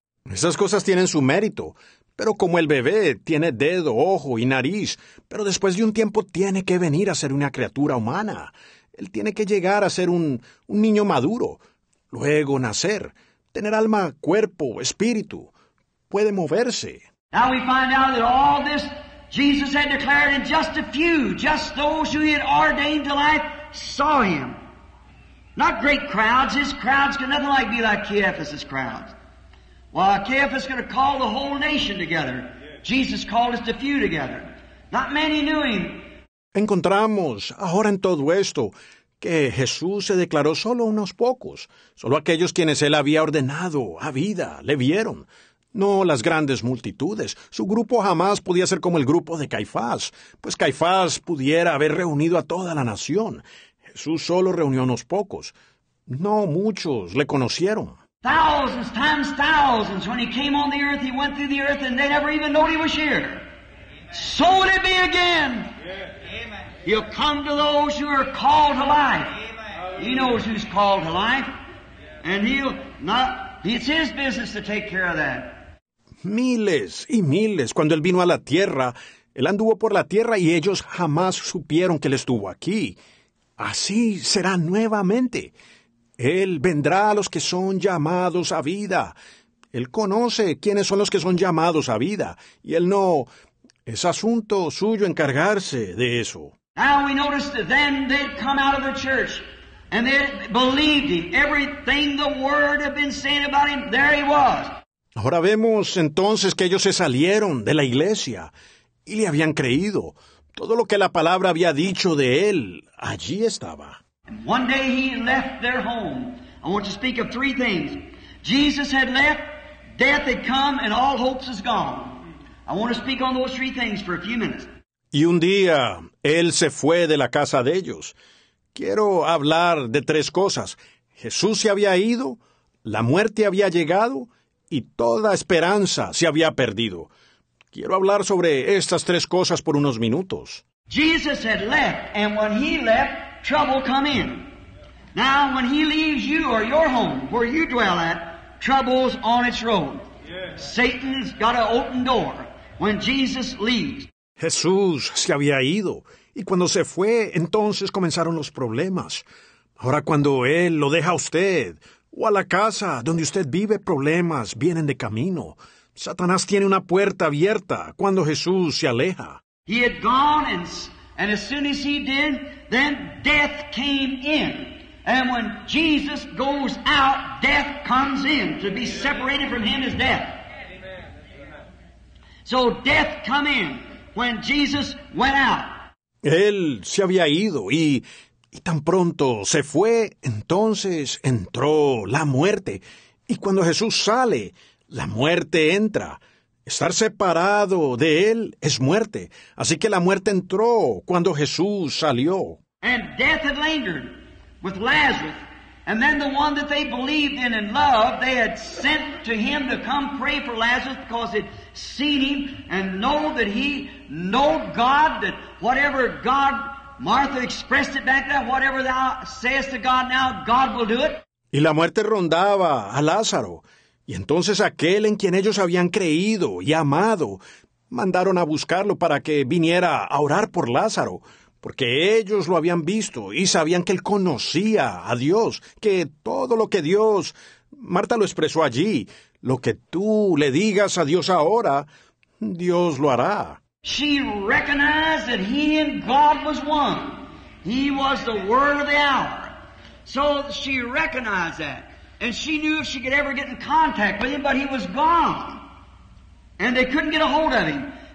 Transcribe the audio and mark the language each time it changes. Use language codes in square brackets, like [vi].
[es] Esas cosas tienen su mérito. Pero como el bebé tiene dedo, ojo y nariz, pero después de un tiempo tiene que venir a ser una criatura humana. Él tiene que llegar a ser un niño maduro, luego nacer, tener alma, cuerpo, espíritu, puede moverse. [en] Now we find out that all this Jesus had declared in just a few, just those who he had ordained to life, saw him. Not great crowds, his crowds can nothing like be like Caiaphas' crowds. Well, Caiaphas is going to call the whole nation together. Jesus called us to few together. Not many knew him. [es] Encontramos ahora en todo esto que Jesús se declaró solo unos pocos. Solo aquellos quienes él había ordenado a vida le vieron. No las grandes multitudes. Su grupo jamás podía ser como el grupo de Caifás. Pues Caifás pudiera haber reunido a toda la nación. Jesús solo reunió unos pocos. No muchos le conocieron. [en] Thousands times thousands. When he came on the earth, he went through the earth, and they never even knew he was here. Amen. So will it be again. Yes. He'll come to those who are called to life. Amen. He knows who's called to life. Yes. And he'll not... It's his business to take care of that. [es] Miles y miles. Cuando él vino a la tierra, él anduvo por la tierra y ellos jamás supieron que él estuvo aquí. Así será nuevamente. Él vendrá a los que son llamados a vida. Él conoce quiénes son los que son llamados a vida. Y él no. Es asunto suyo encargarse de eso. [en] Now we noticed that then they'd come out of the church. And they believed him. Everything the Word had been saying about him, there he was. [es] Ahora vemos entonces que ellos se salieron de la iglesia y le habían creído. Todo lo que la palabra había dicho de él, allí estaba. [en] One day he left their home. I want to speak of three things. Jesus had left, death had come, and all hopes is gone. I want to speak on those three things for a few minutes. [es] Y un día, él se fue de la casa de ellos. Quiero hablar de tres cosas. Jesús se había ido, la muerte había llegado, y toda esperanza se había perdido. Quiero hablar sobre estas tres cosas por unos minutos. [en] Jesus had left, and when he left, trouble come in. Now, when he leaves you or your home, where you dwell at, trouble's on its road. Yes. Satan's got an open door when Jesus leaves. [es] Jesús se había ido, y cuando se fue, entonces comenzaron los problemas. Ahora, cuando él lo deja a usted, o a la casa donde usted vive, problemas vienen de camino. Satanás tiene una puerta abierta cuando Jesús se aleja. [en] He had gone, and as soon as he did, then death came in. And when Jesus goes out, death comes in. To be separated from him is death. So death come in when Jesus went out. [es] Él se había ido y tan pronto se fue, entonces entró la muerte. Y cuando Jesús sale, la muerte entra. Estar separado de él es muerte. Así que la muerte entró cuando Jesús salió. [en] And death had lingered with Lazarus. And then the one that they believed in and loved, they had sent to him to come pray for Lazarus because they'd seen him and know that he knew God, that whatever God, Martha expressed it back then, whatever thou sayest to God now, God will do it. [es] Y la muerte rondaba a Lázaro. Y entonces aquel en quien ellos habían creído y amado, mandaron a buscarlo para que viniera a orar por Lázaro, porque ellos lo habían visto y sabían que él conocía a Dios, que todo lo que Dios, Marta lo expresó allí, lo que tú le digas a Dios ahora, Dios lo hará. [en] She recognized that he and God was one. He was the word of the hour. So she recognized that. And she knew if she could ever get in contact with him, but he was gone. And they couldn't get a hold of him.